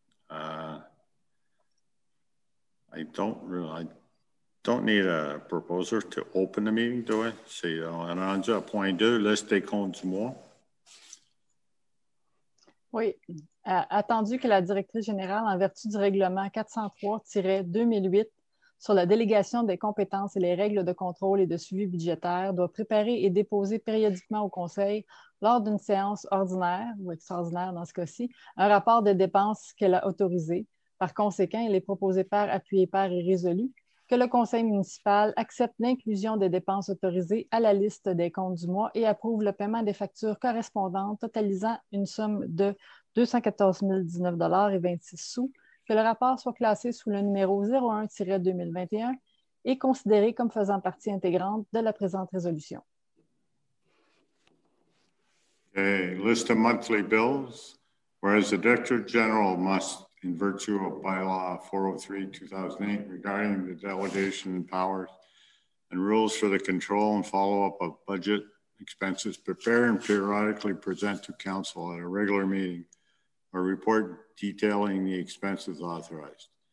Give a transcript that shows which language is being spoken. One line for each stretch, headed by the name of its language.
English: I don't need a proposer to open the meeting, do I?
French: C'est rendu à point 2, liste des comptes du mois. Oui. Attendu que la directrice générale, en vertu du règlement 403-2008 sur la délégation des compétences et les règles de contrôle et de suivi budgétaire, doit préparer et déposer périodiquement au Conseil lors d'une séance ordinaire ou extraordinaire dans ce cas-ci, un rapport de dépenses qu'elle a autorisé. Par conséquent, il est proposé par, appuyé par et résolu que le conseil municipal accepte l'inclusion des dépenses autorisées à la liste des comptes du mois et approuve le paiement des factures correspondantes totalisant une somme de $214,019.26, que le rapport soit classé sous le numéro 01-2021 et considéré comme faisant partie intégrante de la présente résolution.
English: A list of monthly bills, whereas the Director General must, in virtue of bylaw 403-2008, regarding the delegation powers and rules for the control and follow-up of budget expenses, prepare and periodically present to Council at a regular meeting a report detailing the expenses authorized.